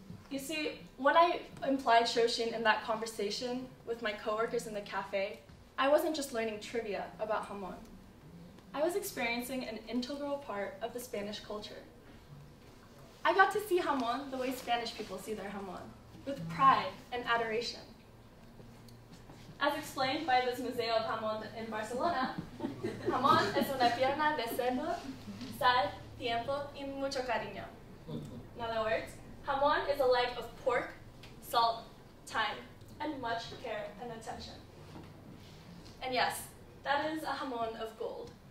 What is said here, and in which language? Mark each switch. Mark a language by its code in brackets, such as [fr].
[en] You see, when I implied shoshin in that conversation with my coworkers in the cafe, I wasn't just learning trivia about jamón. I was experiencing an integral part of the Spanish culture. I got to see jamón the way Spanish people see their jamón, with pride and adoration. As explained by this Museo of Jamón in Barcelona, [es] jamón es una pierna de cerdo, sal, tiempo, y mucho cariño. [en] In other words, jamón is a leg of pork, salt, thyme, and much care and attention. And yes, that is a jamón of gold.